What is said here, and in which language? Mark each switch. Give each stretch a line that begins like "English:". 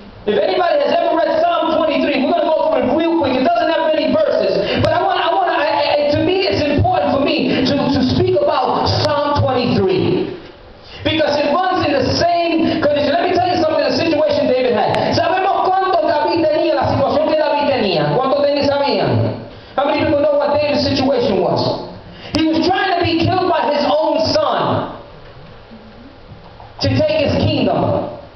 English: If anybody has ever read Psalm 23, we're going to go through it real quick. It doesn't have many verses. But I want to, to me, it's important for me to speak about Psalm 23. Because it runs in the same condition. Let me tell you something, the situation David had.
Spanish: ¿Sabemos cuánto David tenía, la situación que David tenía? ¿Cuánto tenía, sabían?
English: How many people know what David's situation was? He was trying to be killed by his own son to take his kingdom.